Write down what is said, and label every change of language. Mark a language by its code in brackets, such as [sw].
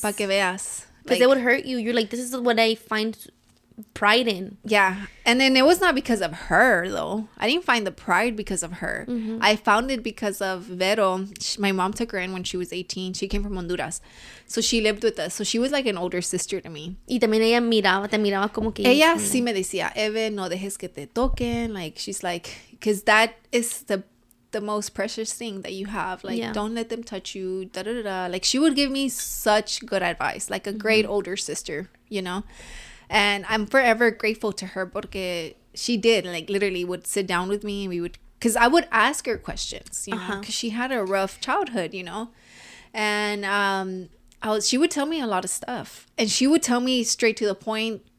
[es] Pa que veas. [en] Because, like, it would hurt you. You're like, this is what I find pride in. Yeah. And then it was not because of her, though. I didn't find the pride because of her. Mm-hmm. I found it because of Vero. My mom took her in when she was 18. She came from Honduras. So she lived with us. So she was like an older sister to me. [es] Y también ella miraba, te miraba como que... Ella sí me decía, Eve, no dejes que te toquen. [en] Like, she's like, because that is the most precious thing that you have. Like, don't let them touch you. Da, da, da, da. Like, she would give me such good advice. Like, a great older sister, you know? And I'm forever grateful to her because she did, like, literally would sit down with me and we would, because I would ask her questions, you know, because she had a rough childhood, you know, and she would tell me a lot of stuff and she would tell me straight to the point.